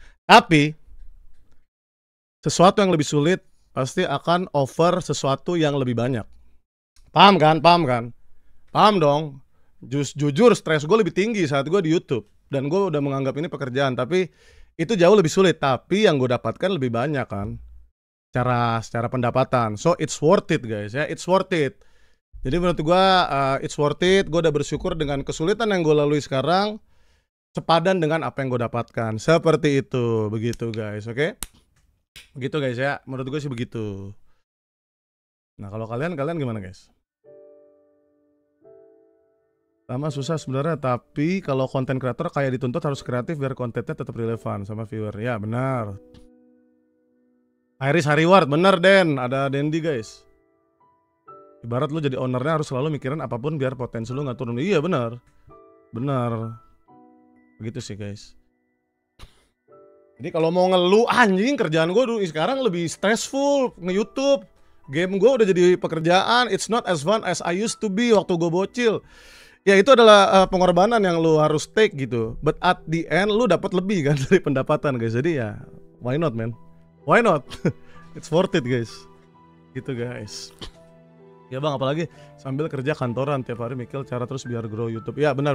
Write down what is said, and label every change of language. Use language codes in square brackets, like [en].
[id] Tapi, sesuatu yang lebih sulit pasti akan offer sesuatu yang lebih banyak. Paham kan? Paham kan? Paham dong? Jujur, stres gue lebih tinggi saat gue di YouTube. Dan gue udah menganggap ini pekerjaan, tapi itu jauh lebih sulit. Tapi yang gue dapatkan lebih banyak kan? Secara pendapatan. [en] So it's worth it, guys, ya, it's worth it. [id] Jadi menurut gue [en] it's worth it. [id] Gue udah bersyukur dengan kesulitan yang gue lalui sekarang, sepadan dengan apa yang gue dapatkan. Seperti itu, begitu, guys, oke? Begitu, guys, ya, menurut gue sih begitu. Nah, kalau kalian gimana, guys? Sama susah sebenarnya, tapi kalau konten kreator kayak dituntut harus kreatif biar kontennya tetap relevan sama viewer. Ya, benar. Iris Hariward, bener, Den, ada Dendi, guys. Ibarat lu jadi ownernya harus selalu mikirin apapun biar potensi lu gak turun. Iya, bener. Bener. Begitu sih, guys. Jadi kalau mau ngeluh, anjing, kerjaan gue dulu sekarang lebih stressful nge-YouTube. Game gue udah jadi pekerjaan. [en] It's not as fun as I used to be [id] waktu gue bocil. Ya, itu adalah pengorbanan yang lu harus take gitu. [en] But at the end, [id] lu dapat lebih kan dari pendapatan, guys. Jadi ya, [en] why not, man? Why not? It's worth it, guys. [id] Gitu, guys. Ya, Bang, apalagi sambil kerja kantoran tiap hari mikir cara terus biar grow YouTube. Ya, benar.